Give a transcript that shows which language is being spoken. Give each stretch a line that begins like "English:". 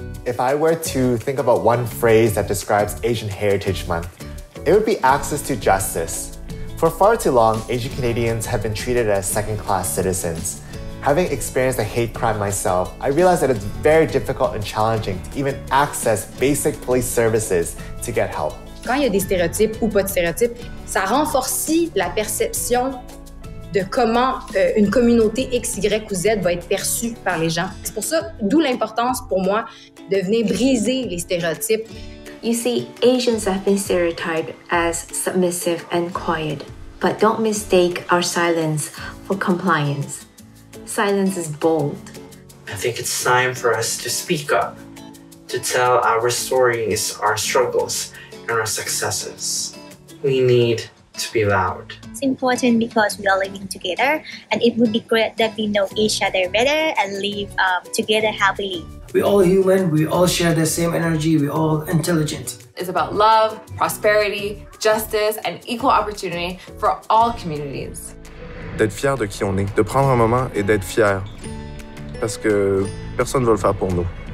English: If I were to think about one phrase that describes Asian Heritage Month, it would be access to justice. For far too long, Asian Canadians have been treated as second-class citizens. Having experienced a hate crime myself, I realized that it's very difficult and challenging to even access basic police services to get help.
French: Quand il y a des stéréotypes ou pas de stéréotypes, ça renforcit la perception de comment une communauté X, Y ou Z va être perçue par les gens. C'est pour ça, d'où l'importance pour moi de venir briser les stéréotypes.
English: You see, Asians have been stereotyped as submissive and quiet, but don't mistake our silence for compliance. Silence is bold. I think it's time for us to speak up, to tell our stories, our struggles, and our successes. We need to be loud. It's important because we are living together, and it would be great that we know each other better and live together happily. We're all human, we all share the same energy, we're all intelligent. It's about love, prosperity, justice, and equal opportunity for all communities.
French: D'être fier de qui on est, de prendre un moment et d'être fier. Parce que personne ne veut le faire pour nous.